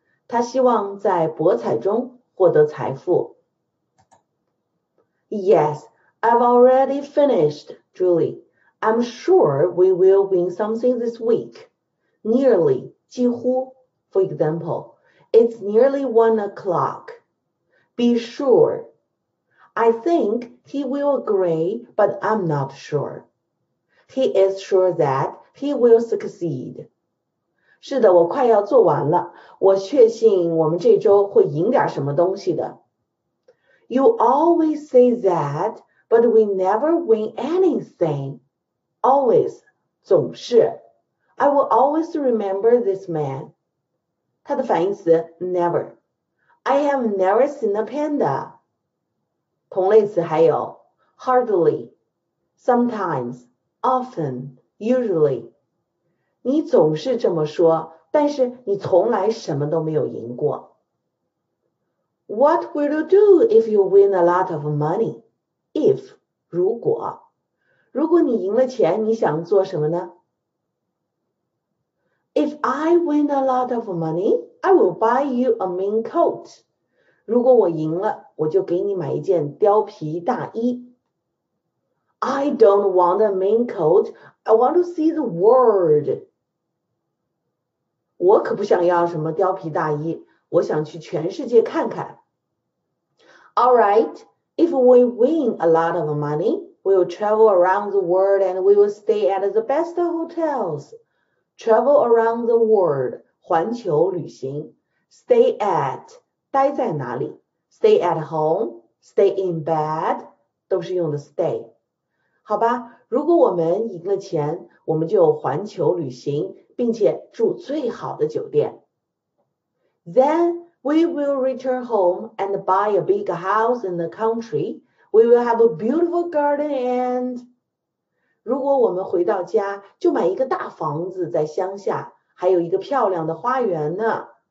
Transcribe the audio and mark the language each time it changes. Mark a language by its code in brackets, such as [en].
[zh] 他希望在博彩中获得财富。 [en] Yes. I've already finished, Julie. I'm sure we will win something this week. Nearly, [zh] 几乎 [en] For example, it's nearly 1 o'clock. Be sure. I think he will agree, but I'm not sure. He is sure that he will succeed. [zh] 是的，我快要做完了。我确信我们这周会赢点什么东西的。 [en] You always say that. But we never win anything. Always, [zh] 总是。 [en] I will always remember this man. [zh] 他的反义词 [en] never. I have never seen a panda. [zh] 同类词还有 [en] hardly, sometimes, often, usually. [zh] 你总是这么说，但是你从来什么都没有赢过。 [en] What will you do if you win a lot of money? If, [zh] 如果。如果你赢了钱，你想做什么呢？ [en] If I win a lot of money, I will buy you a mink coat. [zh] 如果我赢了，我就给你买一件貂皮大衣。 [en] I don't want a mink coat. I want to see the world. [zh] 我可不想要什么貂皮大衣，我想去全世界看看。 [en] All right. If we win a lot of money, we'll travel around the world and we will stay at the best hotels. Travel around the world, [zh] 环球旅行。 [en] Stay at, [zh] 待在哪里。 [en] Stay at home, stay in bed, [zh] 都是用的 [en] stay。 [zh] 好吧，如果我们赢了钱，我们就环球旅行，并且住最好的酒店。 [en] Then we will return home and buy a big house in the country. We will have a beautiful garden and... [zh] 如果我们回到家，就买一个大房子在乡下，还有一个漂亮的花园呢。